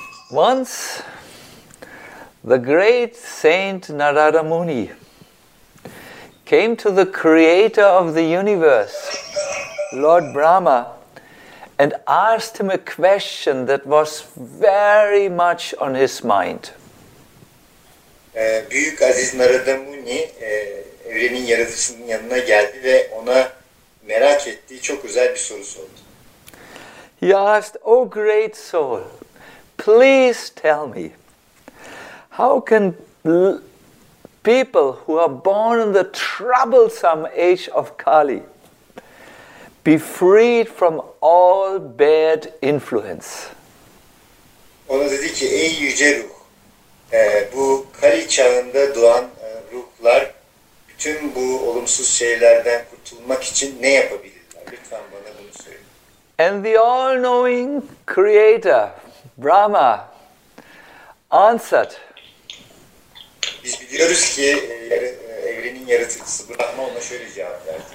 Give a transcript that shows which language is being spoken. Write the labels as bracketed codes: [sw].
[en] Once, the great Saint Narada Muni came to the creator of the universe, Lord Brahma, and asked him a question that was very much on his mind. [tr] Büyük Aziz Narada Muni, evrenin yaratıcısının yanına geldi ve ona merak ettiği çok özel bir soru sordu. [en] He asked, O great soul, please tell me, how can people who are born in the troublesome age of Kali be freed from all bad influence? [tr] Ona dedi ki, ey yüce ruh, bu Kali çağında doğan ruhlar bütün bu olumsuz şeylerden kurtulmak için ne yapabilirler? Lütfen bana bunu söyle. [en] And the all-knowing creator, Brahma answered. [tr] Biz biliyoruz ki evrenin yaratıcısı Brahma ona şöyle cevap verdi.